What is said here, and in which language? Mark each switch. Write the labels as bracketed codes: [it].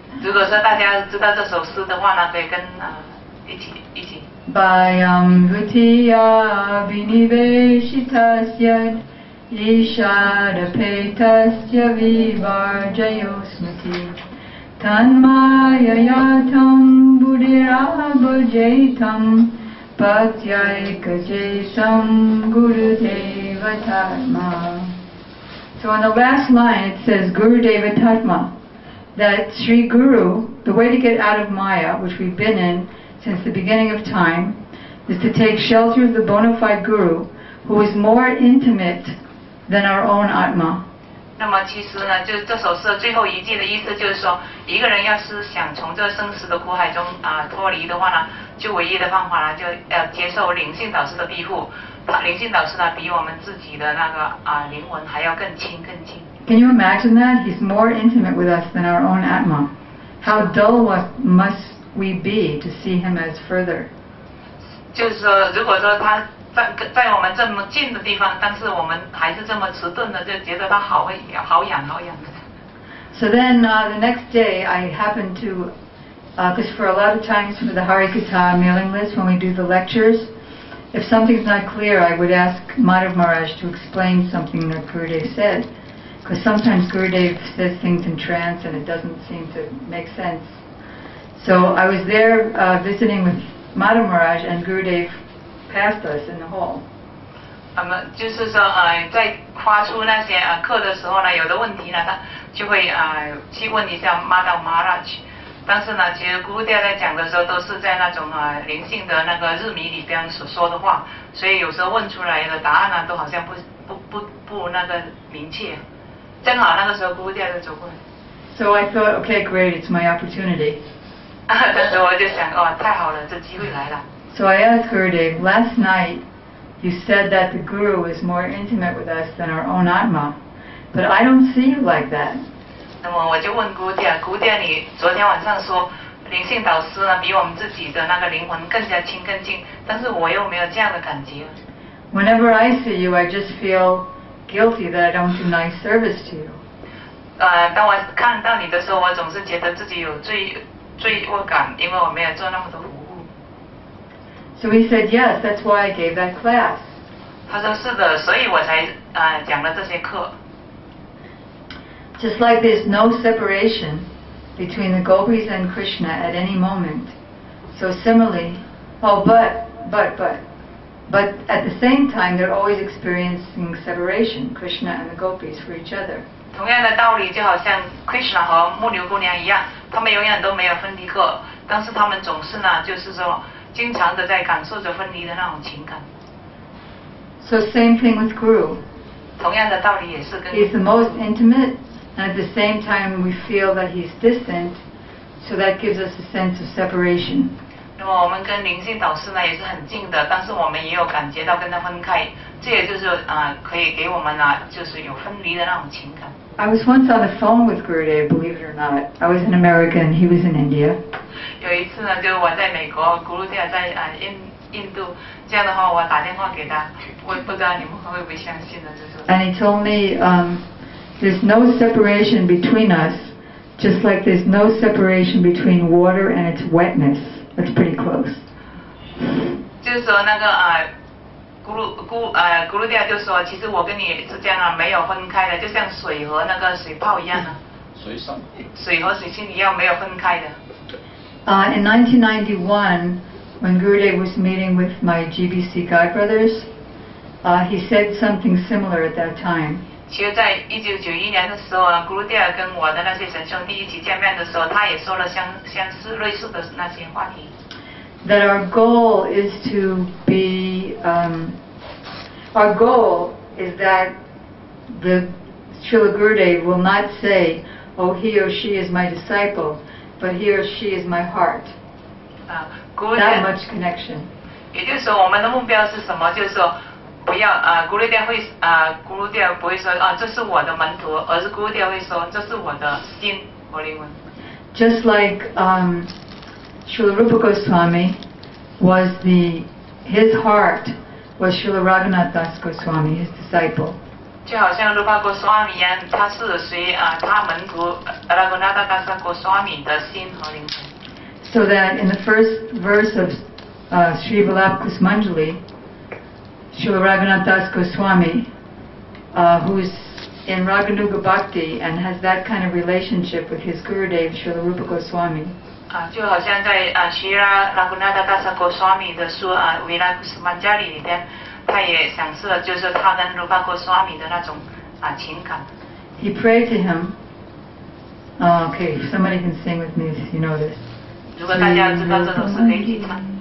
[zh] 如果说大家知道这首诗的话呢，可以跟一起。 [sa] Bhayam Bhutiya Vinivesitasya Ishada Petasya Vivarjayo Smriti Tanmaya Yatam Buddhirabha Jaitam Bhaktyaika Jaitam Gurudeva Tatma. [en] So on the last line it says Gurudeva Tatma, that Sri Guru, the way to get out of Maya, which we've been in since the beginning of time, is to take shelter of the bona fide Guru, who is more intimate than our own Atma. [zh] 那么其实呢，就这首诗最后一句的意思就是说，一个人要是想从这生死的苦海中脱离的话呢，就唯一的方法呢，就接受灵性导师的庇护。灵性导师呢，比我们自己的那个灵魂还要更亲。 [en] Can you imagine that? He's more intimate with us than our own Atma. How dull must we be to see him as further? [zh] 就是说，如果说他在我们这么近的地方，但是我们还是这么迟钝的，就觉得他好痒的。 [en] So then the next day I happened to, because for a lot of times for the Harikatha mailing list when we do the lectures, if something's not clear, I would ask Madhav Maharaj to explain something that Gurudev said, because sometimes Gurudev says things in trance and it doesn't seem to make sense. So I was there visiting with Madhav Maharaj and Gurudev passed us in the hall. [zh] 就是说在发出那些课的时候呢，有的问题呢，他就会去问一下 Madhav Maharaj。但是呢，其实 Gurudev 在讲的时候都是在那种灵性的那个日迷里边所说的话，所以有时候问出来的答案呢，都好像不那个明确。正好那个时候 Gurudev 就走过来。 [en] So I thought, okay, great, it's my opportunity. [zh] 但是我就想，哦，太好了，这机会来了。 [en] So I asked Gurudev, last night you said that the Guru is more intimate with us than our own Atma, but I don't see you like that. [zh] 那么我就问 Gurudev, 你昨天晚上说灵性导师呢比我们自己的那个灵魂更加亲更近，但是我又没有这样的感觉。 [en] Whenever I see you, I just feel guilty that I don't do nice service to you. [zh] 当我看到你的时候，我总是觉得自己有罪恶感，因为我没有做那么多。 [en] So he said, yes, that's why I gave that class. [zh] 他说是的，所以我才讲了这些课。 [en] Just like there's no separation between the gopis and Krishna at any moment. So similarly, but at the same time, they're always experiencing separation, Krishna and the gopis, for each other. [zh] 同样的道理就好像 Krishna 和牧牛姑娘一样他们永远都没有分离过但是他们总是呢就是说经常的在感受着分离的那种情感 [en] So same thing with Guru [zh] 同样的道理也是跟 [en] He's the most intimate and at the same time we feel that he's distant so that gives us a sense of separation [zh] 那么我们跟灵性导师呢也是很近的但是我们也有感觉到跟他分开这也就是、可以给我们、就是有分离的那种情感 [en] I was once on the phone with Gurudeva, believe it or not. I was an American, he was in India. [zh] 有一次呢，就我在美国，古鲁迪亚在印度。这样的话，我打电话给他，我不知道你们会不会相信呢？就是。 [en] And he told me, there's no separation between us, just like there's no separation between water and its wetness. That's pretty close. [zh] 就是说那个古鲁迪亚就说，其实我跟你之间啊没有分开的，就像水和那个水泡一样的、啊。水和水心一样没有分开的。 [en] In 1991, when Gurudeva was meeting with my GBC God Brothers, he said something similar at that time. [zh] 其实在1991年的时候啊，古鲁迪亚跟我的那些神兄弟一起见面的时候，他也说了相似类似的那些话题。 [en] That our goal is to be, our goal is that the Srila Gurudeva will not say, oh, he or she is my disciple, but he or she is my heart. That much connection. [zh] 也就是说我们的目标是什么就是说不要Gurudeva不会说这是我的门徒而是Gurudeva会说这是我的心和灵魂 [en] Just like, Srila Rupa Goswami was the, his heart was Srila Raghunath Das Goswami, his disciple. [zh] 就好像 Rupa Goswami 一样他是谁、他门徒 Raghunath Das Goswami 的心和灵魂。 [en] So that in the first verse of Sri Vallabh Kusumanjali, Srila Raghunath Das Goswami, who's in Raghunuga Bhakti and has that kind of relationship with his Gurudev, Srila Rupa Goswami, [zh] 就好像在希拉拉古纳达达萨古斯瓦米的书啊《维拉古斯曼加里》里边，他也想示了就是他跟卢巴古斯瓦米的那种情感。 [en] He prayed to him.、Okay, somebody can sing with me if you know this. [zh] 如果大家知道这首诗，可以唱。